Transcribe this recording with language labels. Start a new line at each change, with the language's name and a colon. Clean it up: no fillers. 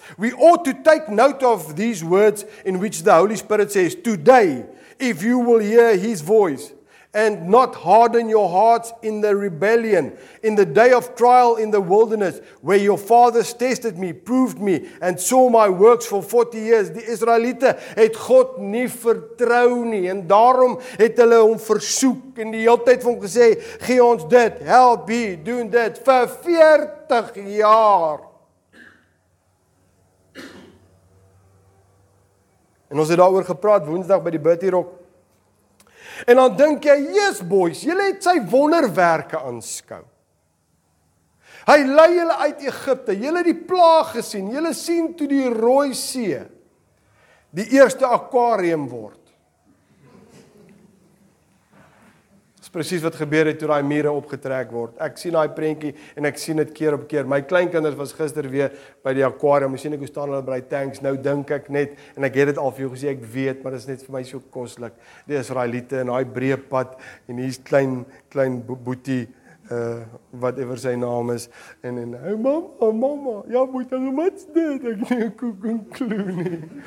English: We ought to take note of these words in which the Holy Spirit says, today, if you will hear his voice, and not harden your hearts in the rebellion, in the day of trial in the wilderness, where your fathers tested me, proved me, and saw my works for 40 years.
Afrikaans: Die Israeliete het God nie vertrou nie, en daarom het hulle hom versoek, en die hele tyd van gesê, gee ons dit, help me, doen dit, vir 40 jaar. En ons het daaroor gepraat, woensdag by die Bertierok, En dan dink jy,
English: yes boys,
Afrikaans: julle het sy wonderwerke aanskou. Hy lei julle uit Egipte, julle het die plaag gesien, julle sien toe die Rooi See die eerste aquarium word. Dis presies wat gebeur het toe daai mure opgetrek word. Ek sien daai prentjie en ek sien dit keer op keer. My kleinkinders was gister weer by die aquarium, sien ek hoe staan hulle by die tanks, nou dink ek net, en ek het dit al vir jou gesê, ek weet, maar dit is net vir my so koslik, die Israeliete in daai breë pad, en hier is klein boetie, whatever sy naam is, en hey mama, ja moet hulle mits dit, ek nie koek en kloe nie,